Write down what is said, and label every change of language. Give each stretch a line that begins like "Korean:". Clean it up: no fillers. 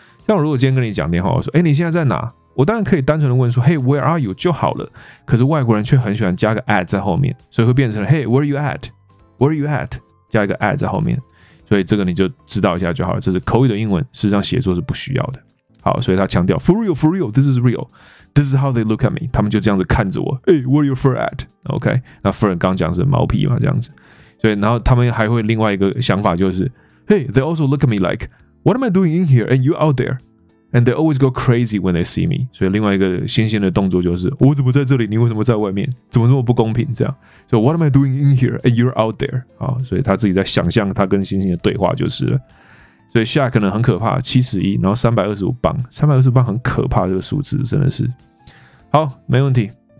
Chinese: 像我如果今天跟你讲电话，我说，你现在在哪？我当然可以单纯的问说 ，
English: Hey, where are you?
Chinese: 就好了。可是外国人却很喜欢加个 at 在后面，所以会变成了
English: Hey, where are you at?
Chinese: Where are you at? 加一个 at 在后面，所以这个你就知道一下就好了。这是口语的英文，事实上写作是不需要的。好，所以他强调
English: for real, this is real, this is how they look at me.
Chinese: 他们就这样子看着我 ，
English: Hey, where are your fur at? OK,
Chinese: 那 fur 刚讲是毛皮嘛，这样子。所以然后他们还会另外一个想法就是
English: ，Hey, they also look at me like. What am I doing in here? And you out there? And they always go crazy when they see me.
Chinese: 所以另外一个猩猩的动作就是我怎么在这里？你为什么在外面？怎么这么不公平？这样。
English: So what am I doing in here? And you're out there.
Chinese: 好，所以他自己在想象他跟猩猩的对话就是了。所以 Shaq 呢很可怕，71，然后325磅，325磅很可怕，这个数字真的是。好，没问题。